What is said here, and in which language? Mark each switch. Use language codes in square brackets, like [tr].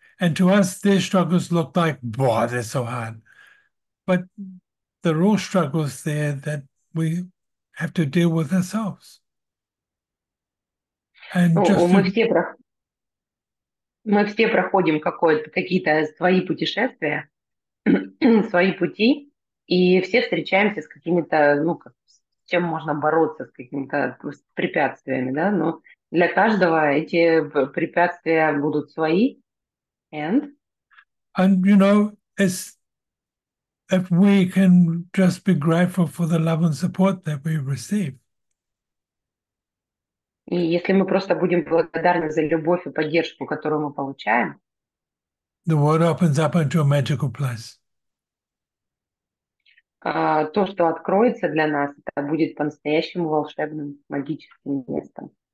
[en] And to us, their struggles look like, boy, they're so hard. But there are all struggles there that we have to deal with ourselves. And [ru] Ну, [en] just to... [ru] мы все проходим какие-то свои путешествия, свои пути, и все встречаемся с какими-то, ну, с чем можно бороться, с какими-то препятствиями, да, но для каждого эти препятствия будут свои. [en] And And you know, it's if we can just be grateful for the love and support that we receive. [ru] И если мы просто будем благодарны за любовь и поддержку, которую мы получаем, [en] The world opens up into a magical place. [ru] то, что откроется для нас, это будет по-настоящему волшебным, магическим местом.